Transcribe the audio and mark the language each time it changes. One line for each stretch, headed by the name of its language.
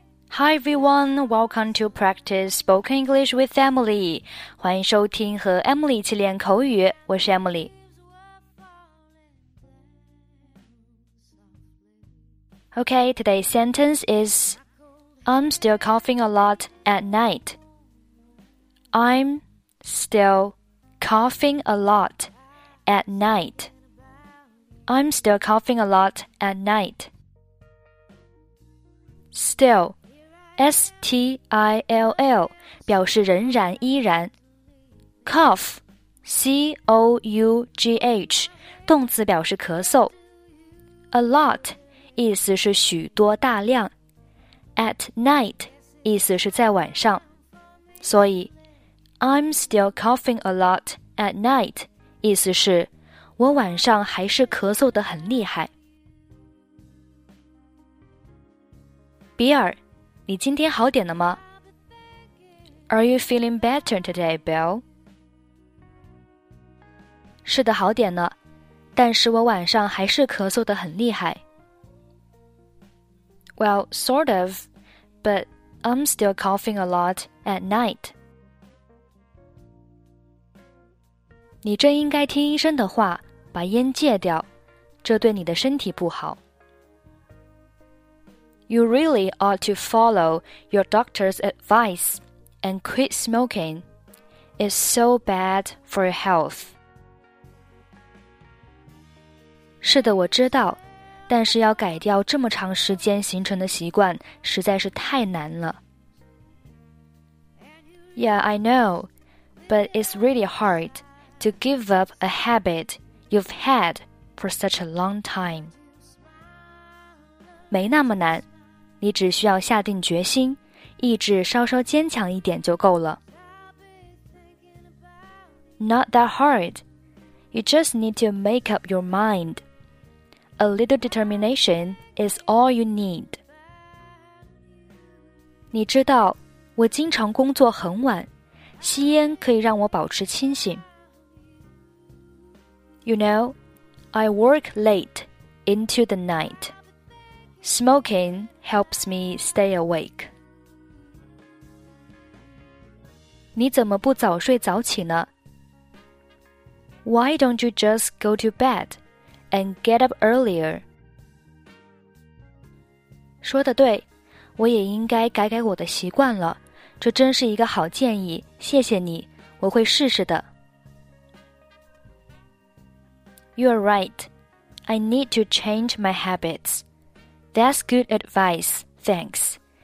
English: Hi everyone, welcome to practice spoken English with Emily.
Chinese: 欢迎收听和 Emily 一起练口语，我是 Emily。
English: Okay, today's sentence is, I'm still coughing a lot at night. I'm still coughing a lot at night. I'm still coughing a lot at night.
Chinese: Still, S-T-I-L-L, 表示仍然依然。 Cough, C-O-U-G-H, 动词表示咳嗽。 A lot,意思是许多大量 At night 意思是在晚上所以
English: I'm still coughing a lot at night
Chinese: 意思是我晚上还是咳嗽得很厉害比尔你今天好点了吗
English: Are you feeling better today, Bill?
Chinese: 是的好点了但是我晚上还是咳嗽得很厉害
English: Well, sort of, but I'm still coughing a lot at night.
Chinese: 你真应该听医生的话，把烟戒掉，这对你的身体不好。
English: You really ought to follow your doctor's advice and quit smoking. It's so bad for your health.
Chinese: 是的，我知道。但是要改掉这么长时间形成的习惯实在是太难了。
English: Yeah, I know, but it's really hard to give up a habit you've had for such a long time.
Chinese: 没那么难，你只需要下定决心，意志稍稍坚强一点就够了。
English: Not that hard. You just need to make up your mind. A little determination is all you need.
Chinese: 你知道，我经常工作很晚，吸烟可以让我保持清醒。
English: You know, I work late into the night. Smoking helps me stay awake.
Chinese: 你怎么不早睡早起呢？
English: Why don't you just go to bed? And get up earlier.
Chinese: 说得对，我也应该改改我的习惯了。这真是一个好建议，谢谢你，我会试试的。
English: You are right. I need to change my habits. That's good advice, thanks.